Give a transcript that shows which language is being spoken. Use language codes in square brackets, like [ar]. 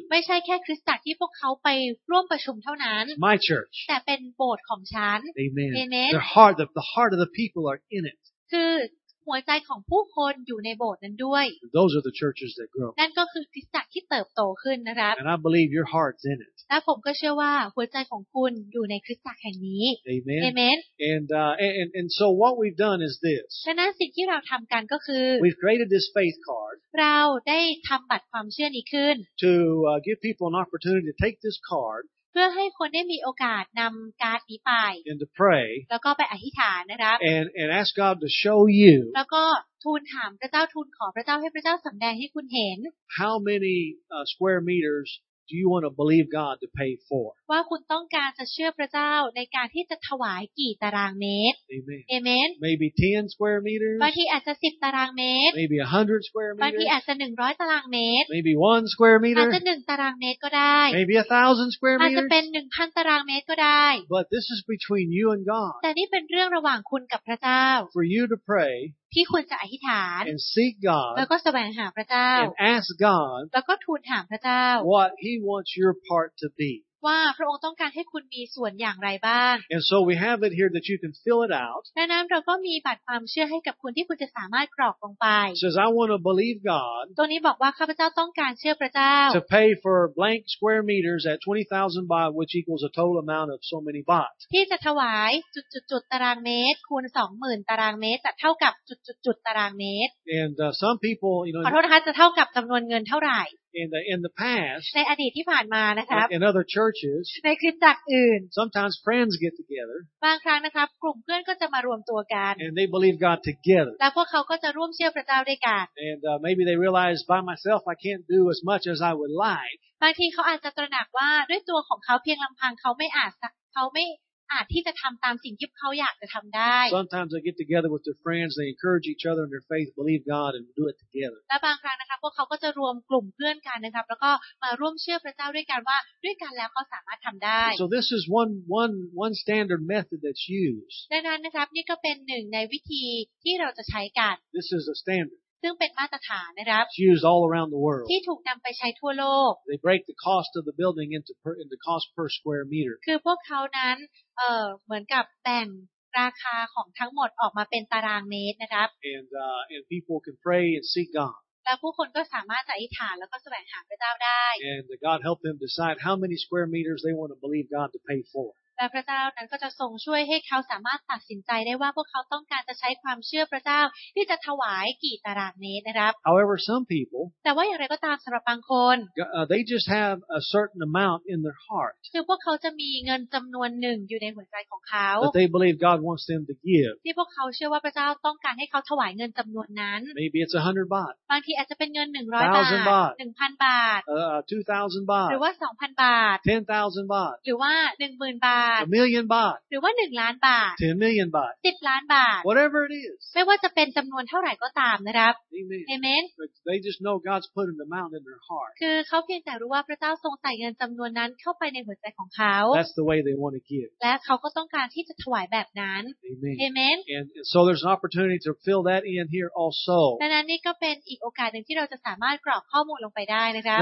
[th] ไม่ใช่แค่คริสตจักรที่พวกเขาไปร่วมประชุมเท่านั้น [en] It's my church [th] แต่เป็นโบสถ์ของฉัน [en] Amen. Amen The heart of the people are in it [th] คือหัวใจของผู้คนอยู่ในโบสถ์นั้นด้วย [en] Those are the churches that grow [th] นั่นก็คือคริสตจักรที่เติบโตขึ้นนะครับ [en] And I believe your heart's in it [th] และผมก็เชื่อว่าหัวใจของคุณอยู่ในคริสตจักรแห่งนี้ [en] Amen. Amen. And so what we've done is this. [th] ฉะนั้นสิ่งที่เราทำกันก็คือ [en] We've created this faith card. [th] เราได้ทำบัตรความเชื่อนี้ขึ้น [en] To give people an opportunity to take this card. [th] เพื่อให้คนได้มีโอกาสนำการ์ดนี้ไป [en] And to pray. [th] แล้วก็ไปอธิษฐานนะครับ [en] And ask God to show you. [th] แล้วก็ ทูลถามพระเจ้าทูลขอพระเจ้าให้พระเจ้าสำแดงให้คุณเห็น [en] How many square metersDo you want to believe God to pay for? [th] ว่าคุณต้องการจะเชื่อพระเจ้าในการที่จะถวายกี่ตารางเมตร [en] Amen. Maybe 10 square meters. [th] บางทีอาจจะ10ตารางเมตร [en] Maybe 100 square meters. [th] บางทีอาจจะ100ตารางเมตร [en] Maybe 1 square meter. [th] อาจจะ1ตารางเมตรก็ได้ [en] Maybe 1000 square meters. [th] อาจจะเป็น 1,000 ตารางเมตรก็ได้ [en] But this is between you and God. [th] แต่นี่เป็นเรื่องระหว่างคุณกับพระเจ้า [en] For you to pray. [th] ที่คุณจะอธิษฐาน [en] and seek God, [th] แล้วก็แสวงหาพระเจ้า [en] and ask God, [th] แล้วก็ทูลถามพระเจ้า [en] what he wants your part to be [th] ว่าพระองค์ต้องการให้คุณมีส่วนอย่างไรบ้าง [en] and so we have it here that you can fill it out [th] ดังนั้นเราก็มีบัตรความเชื่อให้กับคุณที่คุณจะสามารถกรอกลงไป [en] says I want to believe God [th] ตรงนี้บอกว่าข้าพเจ้าต้องการเชื่อพระเจ้า [en] to pay for blank square meters at 20,000 baht which equals a total amount of so many baht [th] ที่จะถวายจุดๆๆตารางเมตรคูณ 20,000 ตารางเมตรจะเท่ากับจุดๆๆตารางเมตร [en] and some people you know [th] ขอโทษนะคะจะเท่ากับจำนวนเงินเท่าไหร่ [en] In the past, [th] ในอดีตที่ผ่านมานะครับ [en] in other churches, [th] ในคริสตจักรอื่น [en] sometimes friends get together, [th] บางครั้งนะครับกลุ่มเพื่อนก็จะมารวมตัวกัน [en] and they believe God together, [th] แล้วพวกเขาก็จะร่วมเชื่อพระเจ้าด้วยกัน [en] and maybe they realize by myself I can't do as much as I would like, [th] บางทีเขาอาจจะตระหนักว่าด้วยตัวของเขาเพียงลำพังเขาไม่อาจที่จะทำตามสิ่งที่เขาอยากจะทำได้ [en] Sometimes they get together with their friends. They encourage each other in their faith, believe God, and do it together. [th] และบางครั้งนะคะพวกเขาก็จะรวมกลุ่มเพื่อนกันนะครับแล้วก็มาร่วมเชื่อพระเจ้าด้วยกันว่าด้วยกันแล้วเขาสามารถทำได้ [en] So this is one standard method that's used. [th] ดังนั้นนะครับนี่ก็เป็นหนึ่งในวิธีที่เราจะใช้กัน [en] This is a standard. [th] ซึ่งเป็นมาตรฐานนะครับ [en] It's used all around the world. [th] ที่ถูกนำไปใช้ทั่วโลก [en] They break the cost of the building into cost per square meter. [th] คือพวกเขานั้นเหมือนกับแบ่งราคาของทั้งหมดออกมาเป็นตารางเมตรนะครับ [en] And people can pray and seek God. [th] แล้วผู้คนก็สามารถอธิษฐานแล้วก็แสวงหาพระเจ้าได้ [en] And God help them decide how many square meters they want to believe God to pay for. [th] และพระเจ้านั้นก็จะทรงช่วยให้เขาสามารถตัดสินใจได้ว่าพวกเขาต้องการจะใช้ความเชื่อพระเจ้าที่จะถวายกี่ตารางเมตรนะครับ [en] However some people [th] แต่ว่าอย่างไรก็ตามสำหรับบางคน [en] they just have a certain amount in their heart [th] คือพวกเขาจะมีเงินจำนวนหนึ่งอยู่ในหัวใจของเขา [en] But they believe God wants them to give [th] ที่พวกเขาเชื่อว่าพระเจ้าต้องการให้เขาถวายเงินจำนวนนั้น [en] Maybe it's 100 baht [th] บางทีอาจจะเป็นเงิน100 baht 1,000 baht [en] 2,000 baht [th] หรือว่า 2,000 baht [en] 10,000 baht [th] หรือว่า 10,000 baht 1 ล้านบาท หรือว่า1ล้านบาท [en] 10 million baht [th] 10ล้านบาท [en] whatever it is [th] ไม่ว่าจะเป็นจำนวนเท่าไหร่ก็ตามนะครับ [en] amen they just know god's put an amount in their heart [th] คือเขาเพียงแต่รู้ว่าพระเจ้าทรงใส่เงินจำนวนนั้นเข้าไปในหัวใจของเขา [en] that's the way they want to give [th] และเขาก็ต้องการที่จะถวายแบบนั้น [en] amen and so there's an opportunity to fill that in here also [th] ดังนั้นนี่ก็เป็นอีกโอกาสนึงที่เราจะสามารถกรอกข้อมูลลงไปได้นะครับ